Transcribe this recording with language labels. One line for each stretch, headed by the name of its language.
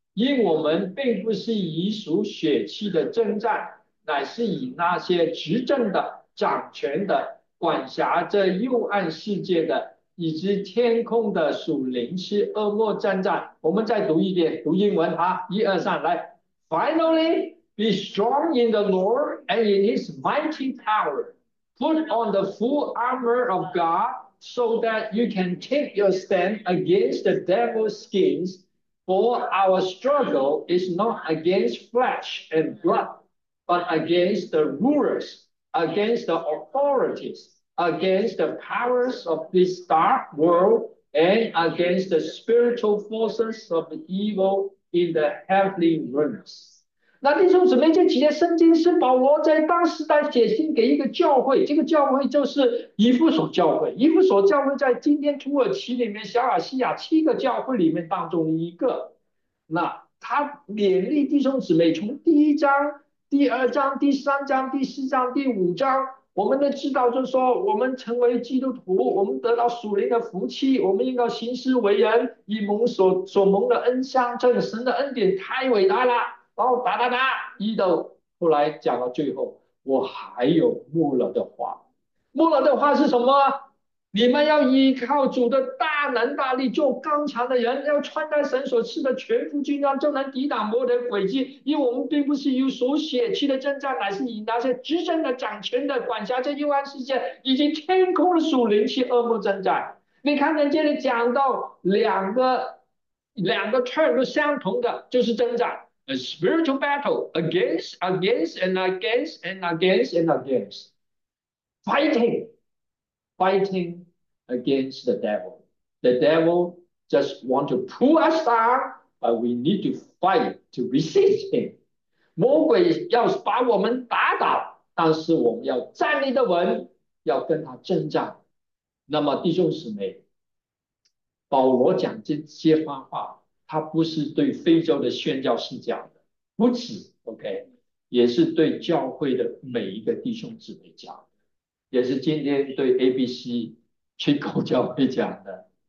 Chinese: 因我们并不是以属血气的征战，乃是以那些执政的、掌权的、管辖这幽暗世界的，以及天空的属灵之恶魔征战。我们再读一遍，读英文哈，一二三，来。
English: Finally, be strong in the Lord and in his mighty power. Put on the full armor of God so that you can take your stand against the devil's schemes. For our struggle is not against flesh and blood, but against the rulers, against the authorities, against the powers of this dark world, and against the spiritual forces of evil in the heavenly realms.
Chinese: 那弟兄姊妹，这几节圣经是保罗在当时代写信给一个教会，这个教会就是以弗所教会。以弗所教会在今天土耳其里面小亚细亚七个教会里面当中的一个。那他勉励弟兄姊妹，从第一章、第二章、第三章、第四章、第五章，我们都知道，就是说我们成为基督徒，我们得到属灵的福气，我们应该行事为人，以蒙所蒙的恩相称，神的恩典太伟大了。然后哒哒哒，一到后来讲到最后，我还有末了的话。末了的话是什么？你们要依靠主的大能大力，做刚强的人，要穿戴神所赐的全副军装，就能抵挡魔的诡计。因为我们并不是有属血气的征战，乃是以那些执政的、掌权的、管辖这幽暗世界以及天空的属灵气恶魔征战。你看人这里讲到两个 term 都相同的，就是征战。
English: A spiritual battle against, against, and against, and against, and against. Fighting, fighting against the devil. The devil just want to pull us down, but we need to fight to resist him.
Chinese: 魔鬼要把我们打倒，但是我们要站立得稳，要跟他征战。那么弟兄姊妹，保罗讲这些番话，他不是对非洲的宣教士讲。不止，OK，也是对教会的每一个弟兄姊妹讲的，也是今天对 ABC 去口教会讲的。